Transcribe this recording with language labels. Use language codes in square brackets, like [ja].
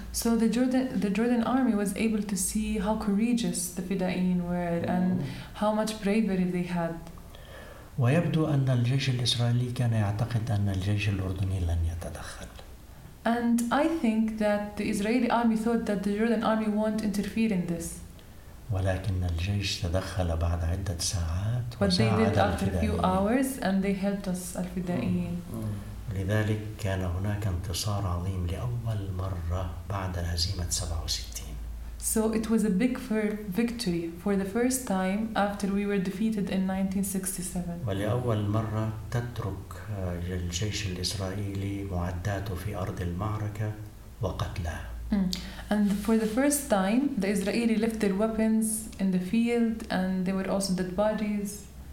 [en] So the Jordan army was able to see how courageous the Fidaeen were and how much bravery they had. [ar] ويبدو أن الجيش الإسرائيلي كان يعتقد أن الجيش الأردني لن يتدخل. [en] And I think that the Israeli army thought that the Jordan army won't interfere in this. [ar] ولكن الجيش تدخل بعد عدة ساعات. [en] But they did after a few hours and they helped us الفدائيين. [ar] لذلك كان هناك انتصار عظيم لأول مرة بعد هزيمة 67. [en] So it was a big victory for the first time after we were defeated in 1967. [ar] ولأول مرة تترك الجيش الإسرائيلي معداته في أرض المعركة وقتله. [en] And for the first time, the Israeli left their weapons in the field and they were also dead bodies.